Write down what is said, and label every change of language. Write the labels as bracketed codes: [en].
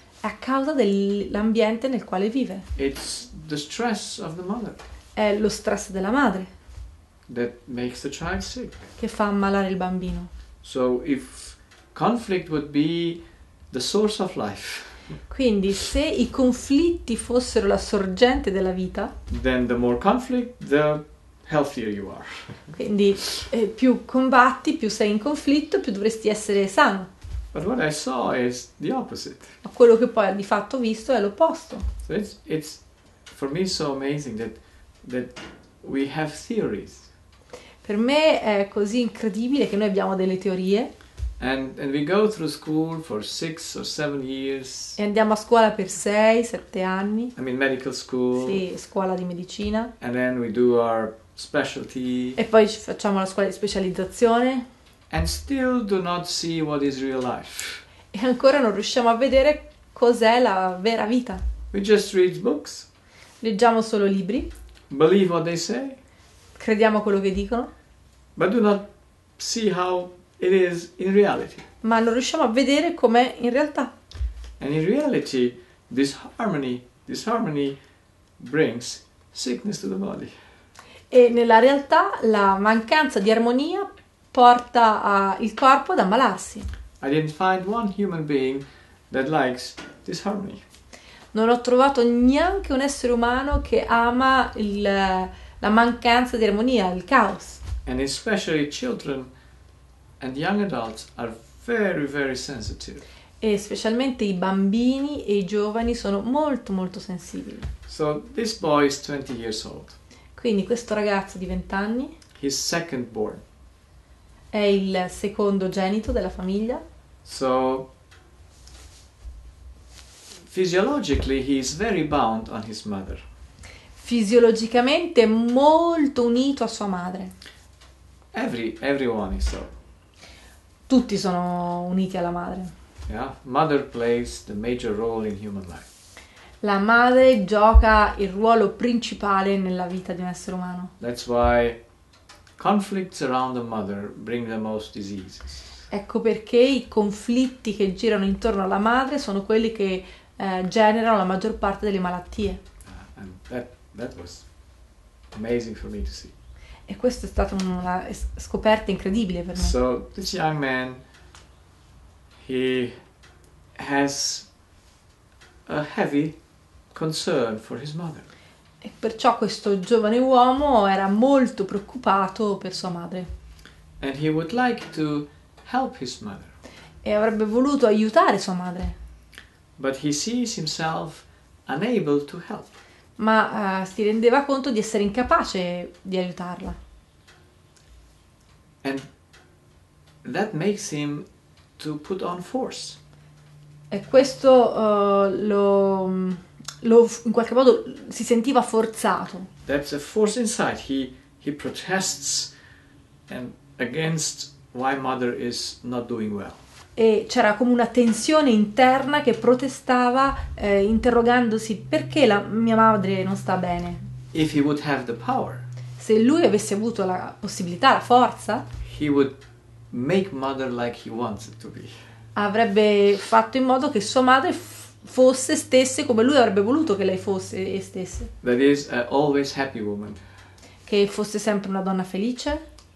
[it] È a causa dell'ambiente nel quale vive. [en] It's the stress of the mother. [it] È lo stress della madre. [en] That makes the child sick. [it] Che fa ammalare il bambino. [en] So if conflict would be the source of life. [it] Quindi se i conflitti fossero la sorgente della vita. [en] Then the more conflict, the healthier you are. [it] Quindi più combatti, più sei in conflitto, più dovresti essere sano. [en] But what I saw is the opposite. [it] Ma quello che poi di fatto ho visto è l'opposto. [en] So it's for me so amazing that we have theories. [it] Per me è così incredibile che noi abbiamo delle teorie. [en] And we go through school for 6 or 7 years. [it] E andiamo a scuola per 6-7 anni. [en] I mean medical school. [it] Sì, scuola di medicina. [en] And then we do our specialty. [it] E poi facciamo la scuola di specializzazione. [en] And still do not see what is real life. [it] E ancora non riusciamo a vedere cos'è la vera vita. [en] We just read books. [it] Leggiamo solo libri. [en] Believe what they say. [it] Crediamo quello che dicono. [en] But do not see how it is in reality. [it] Ma non riusciamo a vedere com'è in realtà. [en] And in reality, disharmony brings sickness to the body. [it] E nella realtà la mancanza di armonia porta il corpo ad ammalarsi. [en] I didn't find one human being that likes disharmony. [it] Non ho trovato neanche un essere umano che ama la mancanza di armonia, il caos. [en] And especially children and young adults are very, very sensitive. [it] E specialmente i bambini e i giovani sono molto, molto sensibili. [en] So this boy is 20 years old. [it] Quindi questo ragazzo di 20 anni. [en] He's second born. [it] È il secondo genito della famiglia. [en] So physiologically he is very bound on his mother. [it] Fisiologicamente molto unito a sua madre. [en] Everyone is so. [it] Tutti sono uniti alla madre. [en] Mother plays the major role in human life. [it] La madre gioca il ruolo principale nella vita di un essere umano. [en] That's why conflicts around the mother bring the most diseases. [it] Ecco perché i conflitti che girano intorno alla madre sono quelli che generano la maggior parte delle malattie. [en] And that was amazing for me to see. [it] E questa è stata una scoperta incredibile per me. [en] So this young man, he has a heavy concern for his mother. [it] E perciò questo giovane uomo era molto preoccupato per sua madre. [en] And he would like to help his mother. [it] E avrebbe voluto aiutare sua madre. [en] But he sees himself unable to help. [it] Ma si rendeva conto di essere incapace di aiutarla. [en] And that makes him to put on force. [it] E questo lo in qualche modo si sentiva forzato. [en] That's a force inside. He protests and against why mother is not doing well. [it] E c'era come una tensione interna che protestava interrogandosi perché la mia madre non sta bene. [en] If he would have the power, [it] se lui avesse avuto la possibilità, la forza, [en] he would make mother like he wants it to be. [it] Avrebbe fatto in modo che sua madre fosse stesse come lui avrebbe voluto che lei fosse e stesse. [en] That is an always happy woman. [it] Che fosse sempre una donna felice.